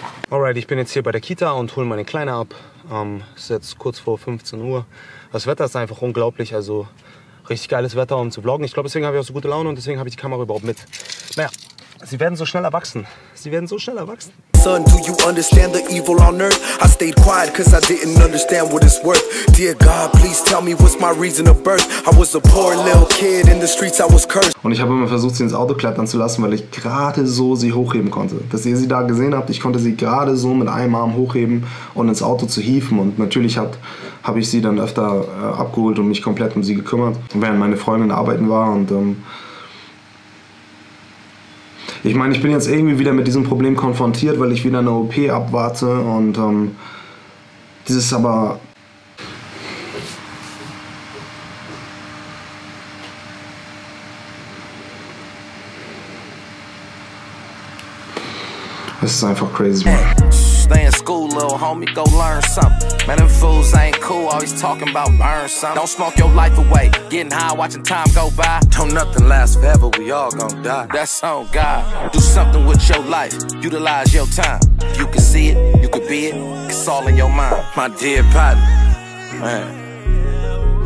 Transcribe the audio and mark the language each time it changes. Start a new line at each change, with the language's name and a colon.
German: Alright, ich bin jetzt hier bei der Kita und hole meine Kleine ab. Es ist jetzt kurz vor 15 Uhr. Das Wetter ist einfach unglaublich, also richtig geiles Wetter, um zu vloggen. Ich glaube, deswegen habe ich auch so gute Laune und deswegen habe ich die Kamera überhaupt mit. Naja, sie werden so schnell erwachsen. Sie werden so schnell erwachsen.
English: Son, do you understand the evil on earth? I stayed quiet cause I didn't understand what it's worth. Dear God, please tell me what's my reason of birth. I was a poor little kid in the streets, I was cursed.
German: Und ich habe immer versucht, sie ins Auto klettern zu lassen, weil ich gerade so sie hochheben konnte. Dass ihr sie da gesehen habt, ich konnte sie gerade so mit einem Arm hochheben und ins Auto zu hieven. Und natürlich habe ich sie dann öfter abgeholt und mich komplett um sie gekümmert, während meine Freundin arbeiten war. Und ich meine, ich bin jetzt irgendwie wieder mit diesem Problem konfrontiert, weil ich wieder eine OP abwarte und dieses aber... Es ist einfach crazy, man.
English: Stay in school, little homie, go learn something. Man, them fools ain't cool, always talking about burn something. Don't smoke your life away, getting high, watching time go by. Don't nothing last forever, we all gonna die. That's on God. Do something with your life, utilize your time. You can see it, you can be it, it's all in your mind. My dear partner, man.